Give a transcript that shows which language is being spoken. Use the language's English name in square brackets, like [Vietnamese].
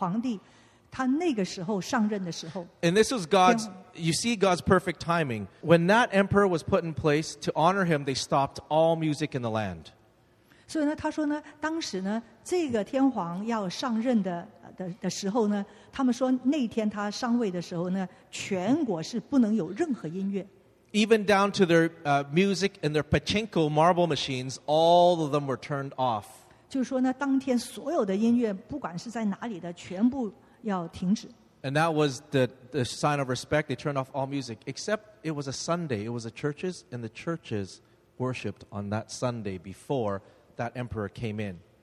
[Chinese] 所以呢，他说呢，他信主的时候呢，就是现在要让位的这个皇帝，他那个时候上任的时候。 [English] And this was God's. You see God's perfect timing. When that emperor was put in place to honor him, they stopped all music in the land. [Chinese] 所以呢，他说呢，当时呢，这个天皇要上任的时候呢，他们说那天他上位的时候呢，全国是不能有任何音乐。 [English] Even down to their music and their pachinko marble machines, all of them were turned off. [Chinese] 就是说呢，当天所有的音乐，不管是在哪里的，全部要停止。 [English] And that was the sign of respect. They turned off all music, except it was a Sunday. It was the churches, and the churches worshipped on that Sunday before that emperor came in.